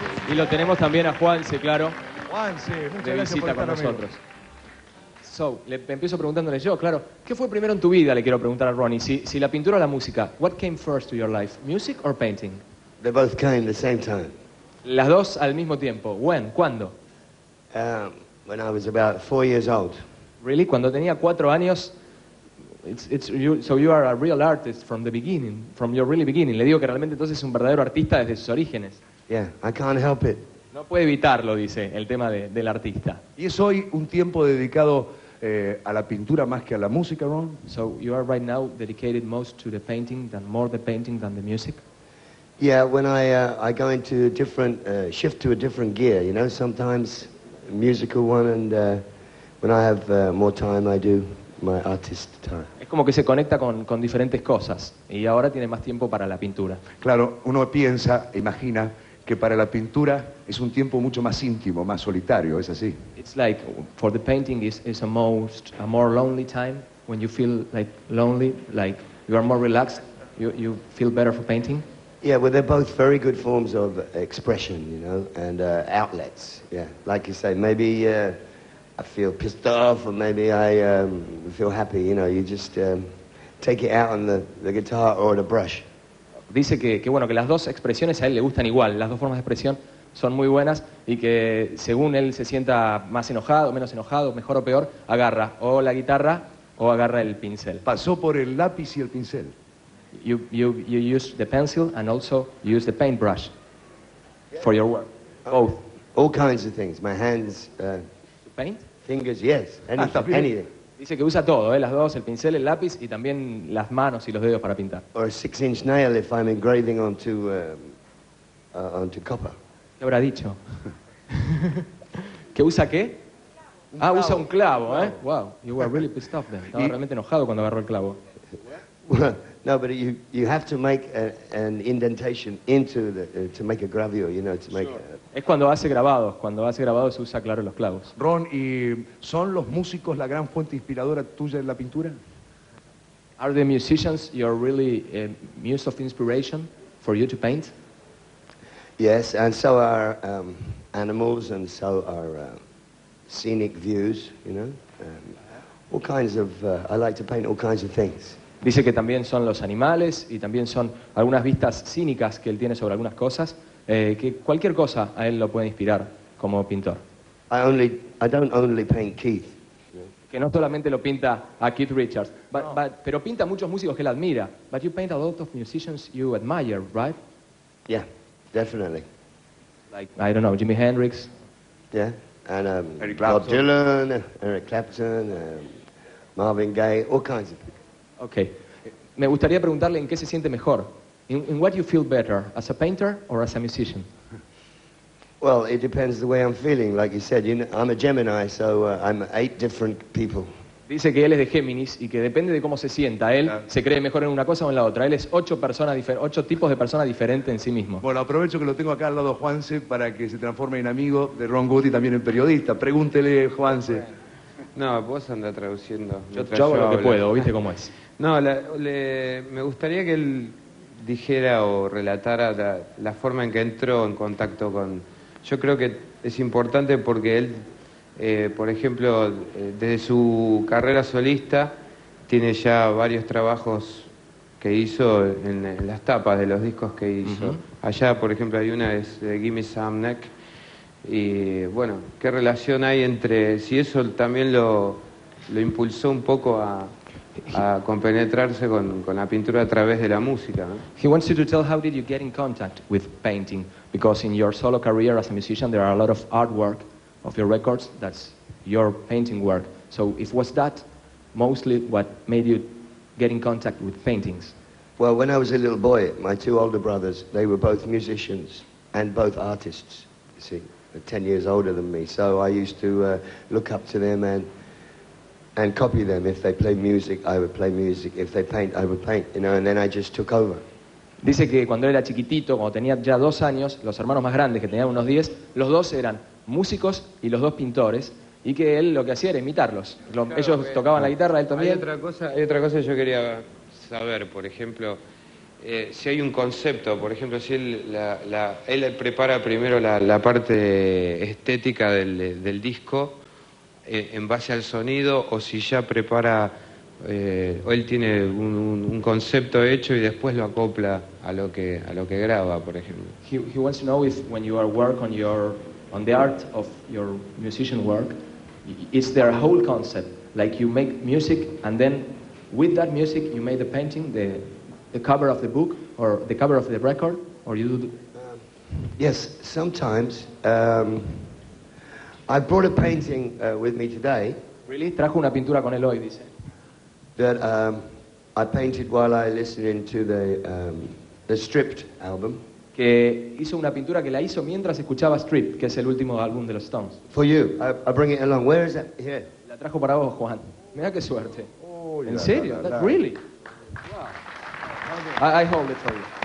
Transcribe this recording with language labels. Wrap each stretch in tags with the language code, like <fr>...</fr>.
<es>Y lo tenemos también a Juanse, claro. Juanse, muchas gracias. De visita por estar con nosotros. So, le empiezo preguntándole yo, claro, ¿qué fue primero en tu vida? Le quiero preguntar a Ronnie, si la pintura o la música.</es> <en>What came first to your life, music or painting? They both came at the same time.</en> <es>Las dos al mismo tiempo.</es> <en>When?</en> <es>¿Cuándo?</es> <en>When I was about 4 years old. Really?</en> <es>Cuando tenía 4 años.</es> <en>It's you, so you are a real artist from the beginning, from your really beginning.</en> <es>Le digo que realmente entonces es un verdadero artista desde sus orígenes.</es> <en>Yeah, I can't help it.</en> <es>No puede evitarlo, dice, el tema del artista. ¿Y es hoy un tiempo dedicado a la pintura más que a la música, Ron?</es> <en>So you are right now dedicated most to the painting than more the painting than the music. Yeah, when I go into a different shift to a different gear, you know, sometimes a musical one, and when I have more time, I do my artist time.</en> <es>Es como que se conecta con diferentes cosas y ahora tiene más tiempo para la pintura. Claro, uno piensa, imagina que para la pintura es un tiempo mucho más íntimo, más solitario, ¿es así?</es> <en>It's like for the painting is a more lonely time. When you feel like lonely, like you are more relaxed, you feel better for painting. Yeah, well, they're both very good forms of expression, you know, and outlets. Yeah, like you say, maybe I feel pissed off, or maybe I feel happy. You know, you just take it out on the guitar or the brush.</en> <es>Dice que bueno, que las dos expresiones a él le gustan igual. Las dos formas de expresión son muy buenas y que según él se sienta más enojado, menos enojado, mejor o peor, agarra o la guitarra o agarra el pincel. Pasó por el lápiz y el pincel.</es> <en>You use the pencil and also use the paintbrush for your work. Both. All kinds of things. My hands. Paint? Fingers, yes. Anything.</en> <es>Dice que usa todo, las dos, el pincel, el lápiz y también las manos y los dedos para pintar.</es> <en>Or a 6-inch nail if I'm engraving onto copper.</en> <es>¿Qué habrá dicho? ¿Qué usa qué? Ah, usa un clavo, ¿eh?</es> <en>Wow, you were really pissed off then.</en> <es>Estaba realmente enojado cuando agarró el clavo.</es> <en>No, but you have to make an indentation into the to make a gravure, you know, to make. Sure.</en> <es>Es cuando hace grabados se usa, claro, los clavos. Ron, ¿y son los músicos la gran fuente inspiradora tuya en la pintura?</es> <en>Are the musicians your really muse of inspiration for you to paint? Yes, and so are animals, and so are scenic views, you know, all kinds of. I like to paint all kinds of things.</en> <es>Dice que también son los animales y también son algunas vistas cínicas que él tiene sobre algunas cosas, que cualquier cosa a él lo puede inspirar como pintor.</es> <en>I don't only paint Keith.</en> <es>Que no solamente lo pinta a Keith Richards, pero pinta muchos músicos que él admira.</es> <en>But you paint a lot of musicians you admire, right? Yeah, definitely. Like, I don't know, Jimi Hendrix. Yeah, and Bob Dylan, Eric Clapton, Marvin Gaye, all kinds of people. Okay.</en> <es>Me gustaría preguntarle en qué se siente mejor.</es> <en>In what you feel better, as a painter or as a musician? Well, it depends the way I'm feeling. Like you said, you know, I'm a Gemini, so I'm 8 different people.</en> <es>Dice que él es de Géminis y que depende de cómo se sienta. Él se cree mejor en una cosa o en la otra. Él es 8 tipos de personas diferentes en sí mismo. Bueno, aprovecho que lo tengo acá al lado, Juanse, para que se transforme en amigo de Ron Good y también en periodista. Pregúntele, Juanse. No, vos andas traduciendo. Yo hago lo que puedo, ¿viste cómo es? No, me gustaría que él dijera o relatara la forma en que entró en contacto con. Yo creo que es importante porque él, por ejemplo, desde su carrera solista, tiene ya varios trabajos que hizo en las tapas de los discos que hizo. Uh-huh. Allá, por ejemplo, hay una, es Gimme Some Neck. Y bueno, ¿qué relación hay entre si eso también lo impulsó un poco a a compenetrarse con la pintura a través de la música, ¿no?</es> <en>He wants you to tell how did you get in contact with painting, because in your solo career as a musician there are a lot of artwork of your records that's your painting work. So if was that mostly what made you get in contact with paintings? Well, when I was a little boy, my two older brothers, they were both musicians and both artists, you see, 10 years older than me. So I used to look up to them and copy them. If they play music, I would play music. If they paint, I would paint, you know, and then I just took over.</en> <es>Dice que cuando era chiquitito, cuando tenía ya 2 años, los hermanos más grandes, que tenían unos 10, los dos eran músicos y los dos pintores, y que él lo que hacía era imitarlos. Ellos tocaban la guitarra, él también. Hay otra cosa que yo quería saber, por ejemplo, si hay un concepto, por ejemplo, si él prepara primero la parte estética del disco en base al sonido, o si ya prepara, o él tiene un concepto hecho y después lo acopla a lo que graba, por ejemplo.</es> <en>He wants to know if when you are working on the art of your musician work, is there a whole concept, like you make music and then with that music you made the painting, the cover of the book or the cover of the record, or you do the... Yes, sometimes. I brought a painting with me today. Really?</en> <es>Trajo una pintura con él hoy, dice.</es> <en>That I painted while I listened to the Stripped album.</en> <es>Que hizo una pintura que la hizo mientras escuchaba Stripped, que es el último álbum de los Stones.</es> <en>For you, I bring it along. Where is that? Here.</en> <es>La trajo para vos, Juan. Mira qué suerte. Oh, ¿en serio? No.</es> <en>That, really? Yeah. Okay. I hold it for you.</en>